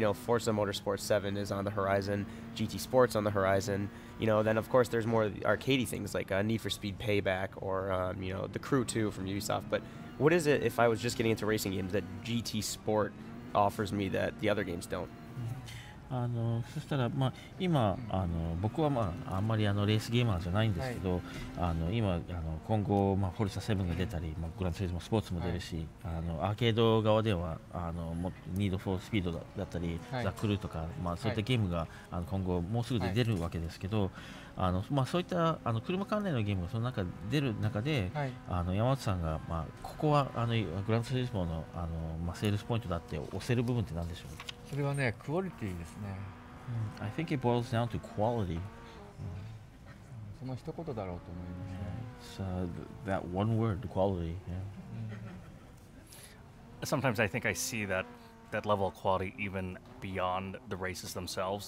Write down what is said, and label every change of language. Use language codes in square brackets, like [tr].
[en] You know, Forza Motorsport 7 is on the horizon, GT Sports on the horizon. You know, then of course there's more arcadey things like Need for Speed Payback or The Crew 2 from Ubisoft. But what is it if I was just getting into racing games that GT Sport offers me that the other games don't? [ja] そしたら、まあ、今僕は、まあ、あんまりレースゲーマーじゃないんですけど、はい、今今後、まあ、フォルサ7が出たり、まあ、グランツーリズムスポーツも出るし、はい、アーケード側ではニードフォースピードだったり、はい、ザ・クルーとか、まあ、そういったゲームが、はい、今後もうすぐで出るわけですけど、はいまあ、そういった車関連のゲームがその中出る中で、はい、山内さんが、まあ、ここはグランツーリズム の、まあ、セールスポイントだって押せる部分って何でしょう。それはね、クオリティですね。 [en] I think it boils down to quality. [ja] その一言だろうと思いますね。 [en] So that one word, quality. Sometimes I think I see that level of quality even beyond the races themselves.